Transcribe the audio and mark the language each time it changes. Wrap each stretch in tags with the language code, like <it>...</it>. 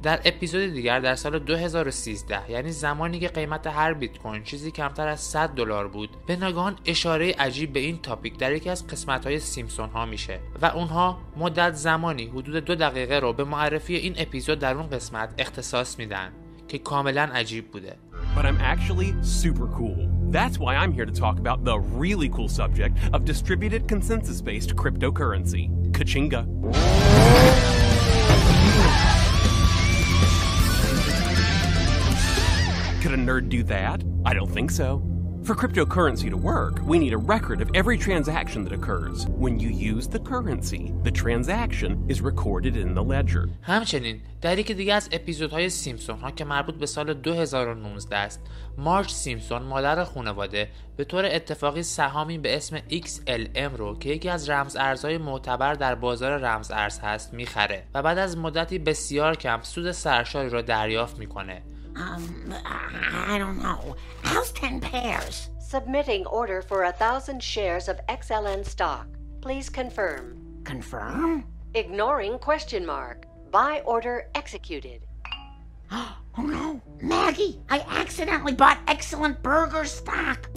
<fa>در اپیزود دیگر در سال 2013، یعنی زمانی که قیمت هر بیت کوین چیزی کمتر از 100 دلار بود، به ناگهان اشاره عجیب به این تاپیک در یکی از قسمت‌های سیمسون ها میشه و اونها مدت زمانی حدود 2 دقیقه رو به معرفی این اپیزود در اون قسمت اختصاص میدن که کاملا عجیب بوده.</fa> <en>But I'm actually super cool. That's why I'm here to talk about the really cool subject of distributed consensus-based cryptocurrency. Kachinga. Could a nerd do that? I don't think so. For cryptocurrency to work, we need a record of every transaction that occurs. When you use the currency, the transaction is recorded in the ledger.</en> <fa>همچنین در یکی دیگه از اپیزودهای سیمسون ها که مربوط به سال 2019 است، مارج سیمسون مادر خانواده به طور اتفاقی سهامی به اسم XLM رو که یکی از رمز ارزهای معتبر در بازار رمز ارز هست میخره و بعد از مدتی بسیار کم سود سرشاری رو دریافت میکنه.</fa> <en>I don't know. How's 10 pairs? Submitting order for 1,000 shares of XLN stock. Please confirm. Confirm? Ignoring question mark. Buy order executed. Oh no! Maggie, I accidentally bought Excellent Burger stock.</en>